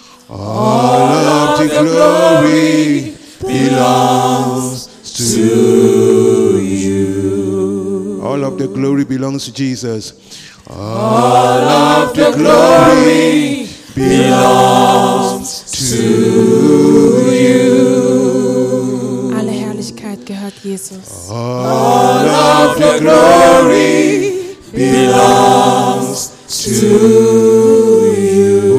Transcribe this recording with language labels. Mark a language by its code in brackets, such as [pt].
[en] All of the glory belongs to you. All of the glory belongs to Jesus. All of the glory belongs to you. [de] Alle Herrlichkeit gehört Jesus. [en] All of the glory belongs to you.